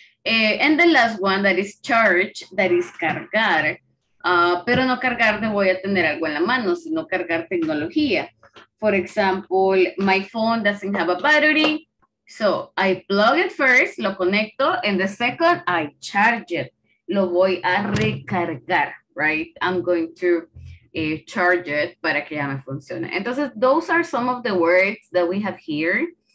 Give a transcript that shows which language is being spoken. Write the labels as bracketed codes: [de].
[en] And the last one, that is charge, that is cargar. [es] Pero no cargar de voy a tener algo en la mano, sino cargar tecnología. [en] For example, my phone doesn't have a battery. So, I plug it first, [es] lo conecto, [en] and the second, I charge it. [es] Lo voy a recargar, right? [en] I'm going to charge it [es] para que ya me funcione. [en] Entonces, those are some of the words that we have here.